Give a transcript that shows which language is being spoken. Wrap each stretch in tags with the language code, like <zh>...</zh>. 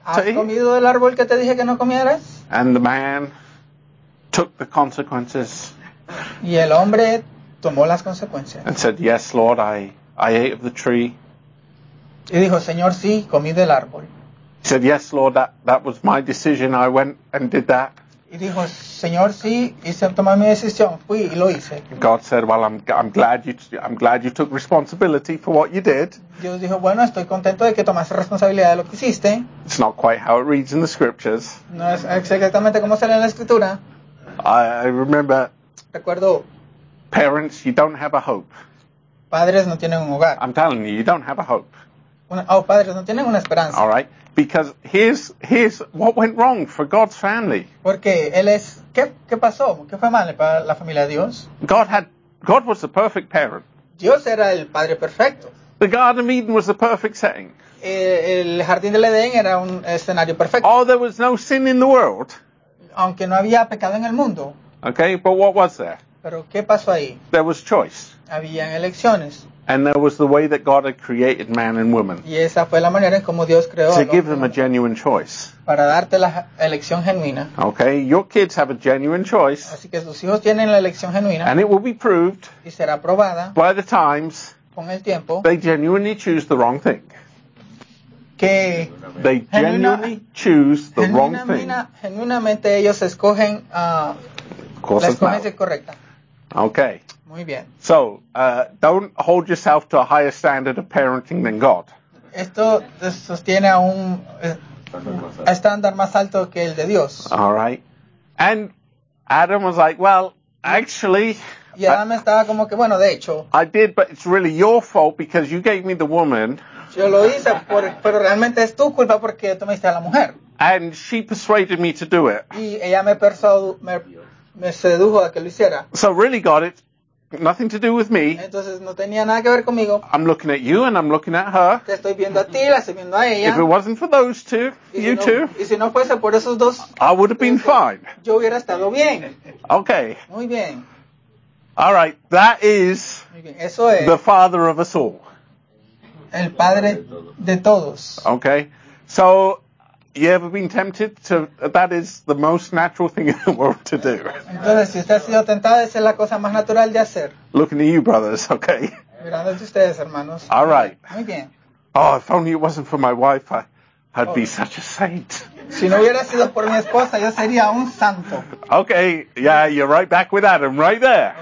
<en>to eat?</en> <es>¿Has comido del árbol que te dije que no comieras?</es> <en>And the man took the consequences.</en> <es>Y el hombre tomó las consecuencias.</es> <en>And said, yes, Lord, I ate of the tree.</en> <es>Y dijo, Señor, sí, comí del árbol.</es> <en>He said, yes, Lord, that was my decision. I went and did that.</en> <es>Y dijo, Señor, sí, hice tomar mi decisión, fui y lo hice.</es> <en>God said, well, I'm glad you took responsibility for what you did.</en> <es>Dios dijo, bueno, estoy contento de que tomaste responsabilidad de lo que hiciste.</es> <en>It's not quite how it reads in the scriptures.</en> <es>No es exactamente como sale en la escritura.</es> <en>I remember.</en> <es>Recuerdo.</es> <en>Parents, you don't have a hope.</en> <es>Padres no tienen un hogar.</es> <en>I'm telling you, you don't have a hope.</en> <es>Padres no tienen una esperanza.</es> <en>All right. Because here's what went wrong for God's family.</en> <es>Porque él es qué pasó, qué fue mal para la familia de Dios.</es> <en>God was the perfect parent.</en> <es>Dios era el padre perfecto.</es> <en>The Garden of Eden was the perfect setting.</en> <es>El jardín del Edén era un escenario perfecto.</es> <en>Oh, there was no sin in the world.</en> <es>Aunque no había pecado en el mundo.</es> <en>Okay, but what was there?</en> <es>Pero qué pasó ahí.</es> <en>There was choice.</en> <es>Habían elecciones.</es> <en>And there was the way that God had created man and woman.</en> <es>Y esa fue la manera en como Dios creó.</es> <en>To give them a genuine choice.</en> <es>Para darte la elección genuina.</es> <en>Okay, your kids have a genuine choice.</en> <es>Así que sus hijos tienen la elección genuina.</es> <en>And it will be proved.</en> <es>Y será probada.</es> <en>By the times.</en> <es>Con el tiempo.</es> <en>They genuinely choose the wrong thing.</en> <es>Que.</es> <en>They genuinely choose the wrong thing.</en> <es>Genuinamente ellos escogen la escogencia correcta.</es> <en>Okay.</en> <es>Muy bien.</es> <en>So, don't hold yourself to a higher standard of parenting than God.</en> <es>Esto sostiene a un estándar más alto que el de Dios.</es> <en>All right. And Adam was like, well, actually.</en> <es>Y Adam estaba como que, bueno, de hecho.</es> <en>I did, but it's really your fault because you gave me the woman.</en> <es>Yo lo hice, pero realmente es tu culpa porque tú me diste a la mujer.</es> <en>And she persuaded me to do it.</en> <es>Y ella me sedujo a que lo hiciera.</es> <en>So really, God, it's nothing to do with me.</en> <es>Entonces, no tenía nada que ver conmigo.</es> <en>I'm looking at you and I'm looking at her.</en> <es>Te estoy viendo a ti, la estoy viendo a ella.</es> <en>If it wasn't for those two, you two,</en> <es>y si no fuese por esos dos,</es> <en>I would have been fine.</en> <es>Yo hubiera estado bien.</es> <en>Okay.</en> <es>Muy bien.</es> <en>All right, that is</en> <es>eso es</es> <en>the father of us all.</en> <es>El padre de todos.</es> <en>Okay. So, you ever been tempted to, that is the most natural thing in the world to do.</en> <es>Entonces, si usted ha sido tentado, esa es la cosa más natural de hacer.</es> <en>Looking at you, brothers, okay.</en> <es>Mirándose ustedes, hermanos.</es> <en>All right.</en> <es>Muy bien.</es> <en>Oh, if only it wasn't for my wife, I'd be such a saint.</en> <es>Si no hubiera sido por mi esposa, yo sería un santo.</es> <en>Okay, yeah, you're right back with Adam, right there.</en>